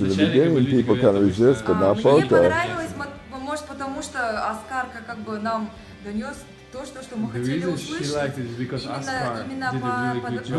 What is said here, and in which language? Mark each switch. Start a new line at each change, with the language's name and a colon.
English: In the beginning, people kind of resist, but not both.
Russian: Мне понравилось, может потому что Оскар как бы нам донес.
English: The reason she liked it is because Oscar did a really good job.